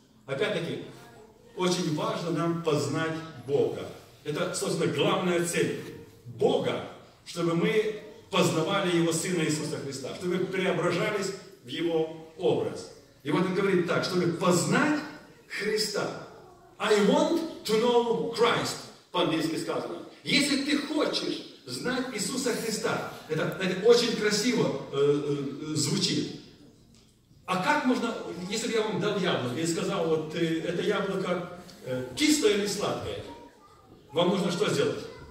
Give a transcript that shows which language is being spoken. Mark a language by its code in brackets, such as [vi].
[ru] Опять-таки, очень важно нам познать Бога. Это, собственно, главная цель Бога, чтобы мы познавали Его Сына Иисуса Христа, чтобы преображались в Его образ. И вот он говорит так, чтобы познать Христа. [en] I want to know Christ, [ru] по-английски сказано. Если ты хочешь знать Иисуса Христа, это очень красиво звучит. А как можно, если бы я вам дал яблоко и сказал, вот это яблоко кислое или сладкое, вам нужно что сделать?